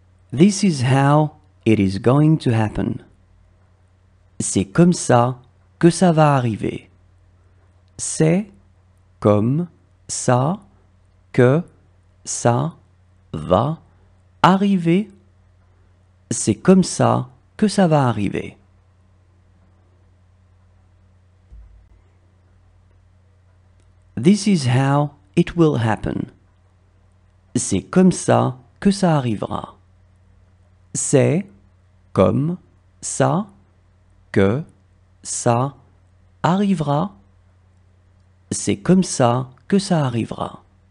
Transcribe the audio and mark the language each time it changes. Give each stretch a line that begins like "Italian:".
English: This is how it is going to happen.
French: C'est comme ça que ça va arriver. C'est comme ça que ça va arriver. C'est comme ça que ça va arriver.
English: This is how it will happen.
French: C'est comme ça que ça arrivera. C'est comme ça que ça arrivera. C'est comme ça que ça arrivera.